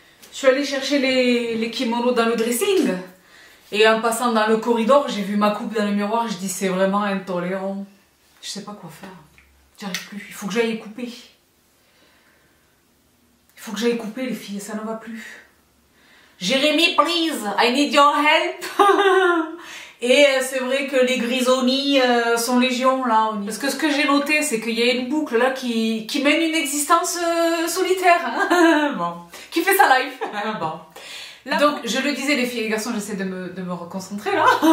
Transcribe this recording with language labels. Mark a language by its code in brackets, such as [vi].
[fr] Je suis allée chercher les kimonos dans le dressing. Et en passant dans le corridor, j'ai vu ma coupe dans le miroir. Je dis c'est vraiment intolérant. Je sais pas quoi faire. J'y arrive plus. Il faut que j'aille couper. Il faut que j'aille couper les filles, ça ne va plus. [en] Jérémy, please, I need your help. [fr] Et c'est vrai que les grisonnies sont légion là. Parce que ce que j'ai noté, c'est qu'il y a une boucle là qui mène une existence solitaire. Bon, qui fait sa life. Bon. Là, donc je le disais les filles et les garçons, j'essaie de me reconcentrer là.